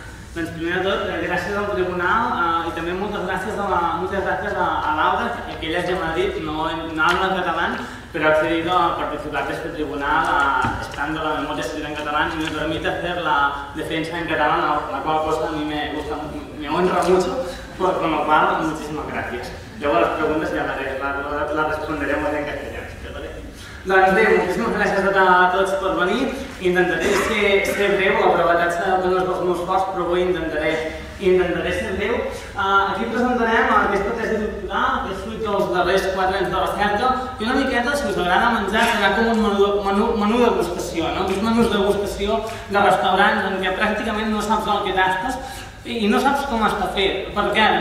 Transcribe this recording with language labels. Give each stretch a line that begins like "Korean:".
Catalan: Doncs primer de tot, gràcies al tribunal i també moltes gràcies a Laura, que ella ja m'ha dit,
Spanish: no hablo
Catalan: en català, però ha accedit a participar d'aquest tribunal estant de la memòria escrita en català i em permet fer la defensa en català, la qual cosa a mi
Spanish: me gusta, me honra
Catalan: molt.
Spanish: Con lo cual, muchísimas gracias. Luego las preguntas ya las responderemos en castellano. ¿Vale?
Catalan: Doncs bé,
Spanish: muchísimas gracias
Catalan: a tots
Spanish: por venir.
Catalan: Intentaré ser breu, la brevetat serà un dels meus forts, però avui intentaré ser breu. Aquí presentarem aquesta tesi doctoral, que és fruit dels darrers 4 anys de recerca, i una miqueta, si us agrada menjar, serà com un menú de degustació, no? Un menú de degustació de restaurants en què pràcticament no saps el que tastes, i no saps com està fet. Per què?